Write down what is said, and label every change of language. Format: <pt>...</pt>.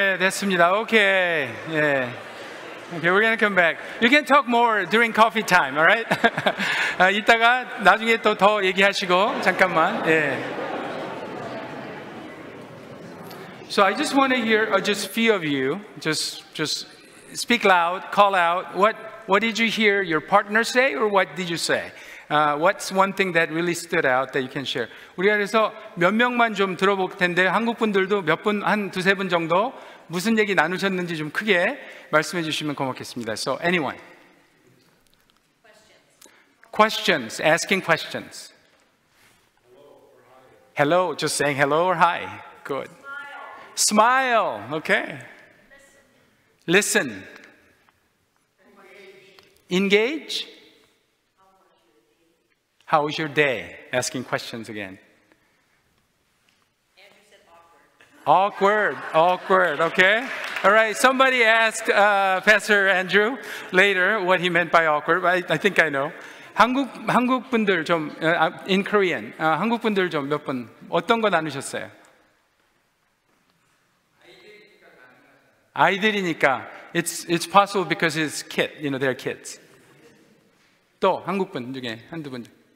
<en>Okay. Yeah. Okay, we're going to come back. You can talk more during coffee time, all right?</en> <ko>이따가 나중에 또 더 얘기하시고 잠깐만.</ko> <en>So I just want to hear just a few of you just speak loud, call out. What did you hear your partner say or what did you say? What's one thing that really stood out that you can share?</en> <ko>우리 안에서 몇 명만 좀 들어볼 텐데 한국 분들도 몇 분 한 두세 분 정도 무슨 얘기 나누셨는지 좀 크게 말씀해 주시면 고맙겠습니다.</ko> <en>So anyone? Questions. Asking questions. Hello. Hello. Just saying hello or hi. Good. Smile. Smile. Okay. Listen. Engage. How was your day? Asking questions again. Andrew said awkward. Awkward, okay. All right, somebody asked Pastor Andrew later what he meant by awkward. I think I know.</en> <ko>한국 분들 좀,</ko> <en>in Korean,</en> <ko>한국 분들 좀 몇 분, 어떤 거 나누셨어요? 아이들이니까.</ko> <en>It's possible because it's kid, you know, they're kids.</en> <ko>또 한국 분 중에 한두 분 중에.</ko>